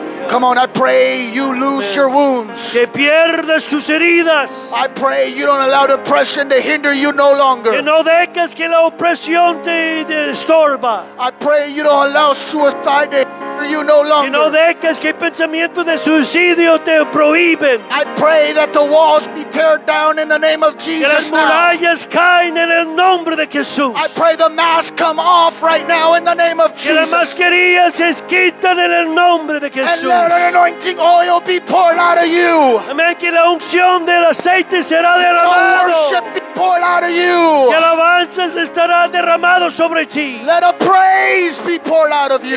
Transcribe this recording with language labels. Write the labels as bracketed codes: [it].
[en] Come on, I pray you lose your wounds. [es] Que pierdas tus heridas. [en] I pray you don't allow depression to hinder you no longer. [es] Que no dejes que la opresión te estorba. [en] I pray you don't allow suicide to hinder you no longer. [es] Que no dejes que pensamiento de suicidio te prohíben. [en] I pray that the walls be teared down in the name of Jesus. [es] Que las murallas caen en el nombre de Jesús. [en] I pray the mask come off right now in the name of Jesus. [es] Que las mascarillas se quitan en el nombre de Jesús. [en] Let anointing oil be poured out of you. [es] Amen. Que la unción del aceite será derramado. [en] Let worship be poured out of you. [es] Que alabanzas estará derramado sobre ti. [en] Let a praise be poured out of you.